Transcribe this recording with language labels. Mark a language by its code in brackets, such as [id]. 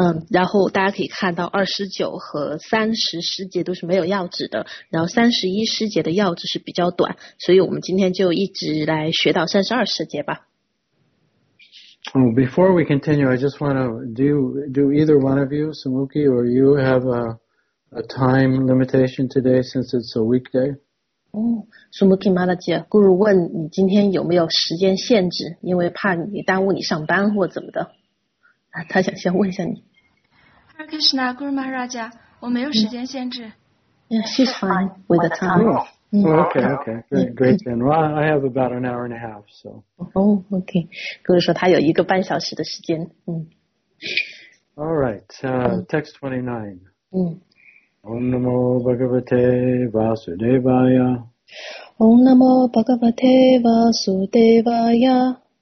[zh] 然后大家可以看到29和30师节都是没有要旨的，然后31师节的要旨是比较短，所以我们今天就一直来学到32师节吧。 [en] Oh, before we continue, I just want to, do either one of you, Samuki, or you have a time limitation today since it's a weekday? [zh] Samuki Manaji, Guru 问你今天有没有时间限制，因为怕你耽误你上班或怎么的。他想先问一下你。 Hare Krishna, Guru Maharaj, 我没有时间限制。 [en] Yeah, she's fine with the time. Okay, great then. Well, I have about an hour and a half, so. Oh, okay. [zh] 故事说他有一个半小时的时间。 [en] All right, text 29. [sa] Om Namo Bhagavate Vasudevaya. Om Namo Bhagavate Vasudevaya.